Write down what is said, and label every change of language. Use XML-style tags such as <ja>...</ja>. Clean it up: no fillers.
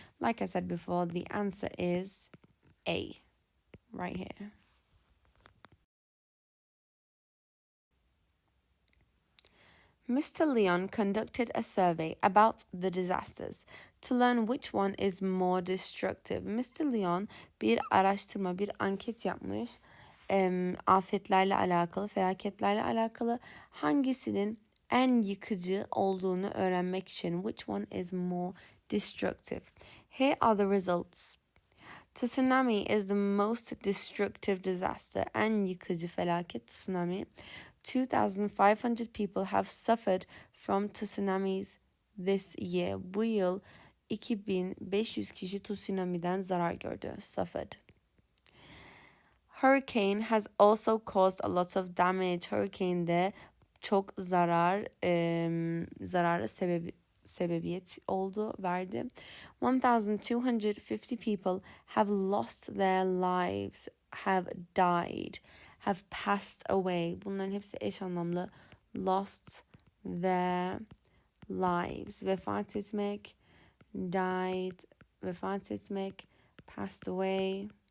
<en>Like I said before, the answer is A. Right here. Mr. Leon conducted a survey about the disasters to learn which one is more destructive.</en> <tr>Mr. Leon bir araştırma, bir anket yapmış. Afetlerle alakalı, felaketlerle alakalı hangisinin en yıkıcı olduğunu öğrenmek için.</tr> <en>Which one is more destructive? Here are the results. Tsunami is the most destructive disaster.</en> <tr>En yıkıcı felaket tsunami.</tr> <en>2,500 people have suffered from tsunamis this year.</en> <tr>Bu yıl 2,500 kişi tsunamiden zarar gördü. Suffered.</tr> <en>Hurricane has also caused a lot of damage.</en> <tr>Hurricane de çok zarar, zarara sebebiyet oldu, verdi.</tr> <en>1,250 people have lost their lives, have died, have passed away.</en> <tr>Bunların hepsi eş anlamlı.</tr> <en>Lost their lives.</en> <tr>Vefat etmek, died, vefat etmek,</tr> <en>passed away.</en>